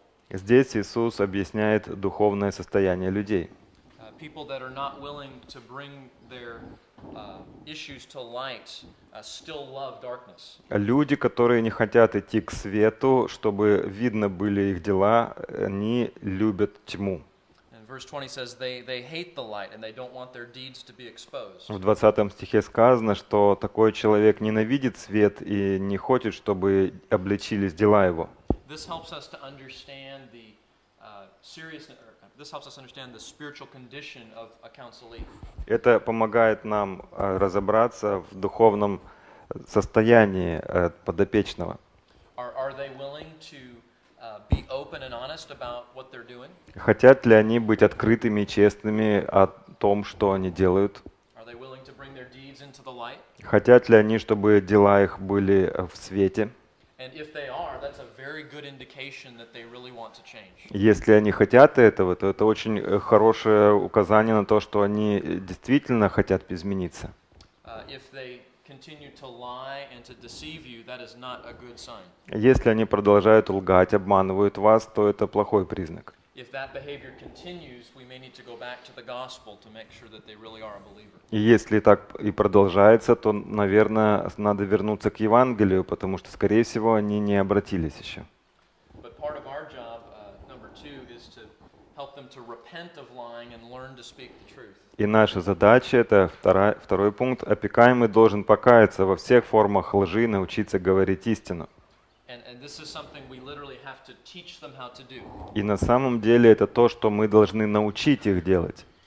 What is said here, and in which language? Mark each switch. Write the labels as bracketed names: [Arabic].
[Russian] Здесь Иисус объясняет духовное состояние людей. [English] People that are not willing to bring their issues to light still love darkness. [Russian] Люди, которые не хотят идти к свету, чтобы видно были их дела, они любят тьму. [English] And verse 20 says they hate the light and they don't want their deeds to be exposed. [Russian] В 20 стихе сказано, что такой человек ненавидит свет и не хочет, чтобы обличились дела его. [English] This helps us to understand the seriousness. This helps us understand the spiritual condition of a counselee. [Russian] Это помогает нам разобраться в духовном состоянии подопечного. [English] Are they willing to be open and honest about what they're doing? [Russian] Хотят ли они быть открытыми и честными о том, что они делают? [English] Are they willing to bring their deeds into the light? [Russian] Хотят ли они, чтобы дела их были в свете? [English] And if they are, that's a very good indication that they really want to change. [Russian] Если они хотят этого, то это очень хорошее указание на то, что они действительно хотят измениться. [English] If they continue to lie and to deceive you, that is not a good sign. [Russian] Если они продолжают лгать, обманывают вас, то это плохой признак. [English] If that behavior continues, we may need to go back to the gospel to make sure that they really are a believer. [Russian] И если так и продолжается, то, наверное, надо вернуться к Евангелию, потому что, скорее всего, они не обратились еще. [English] But part of our job, number two, is to help them to repent of lying and learn to speak the truth. [Russian] И наша задача, это второй пункт, опекаемый должен покаяться во всех формах лжи, научиться говорить истину. [English] And this is something we literally have to teach them how to do. [Russian] И на самом деле это то, что мы должны научить их делать.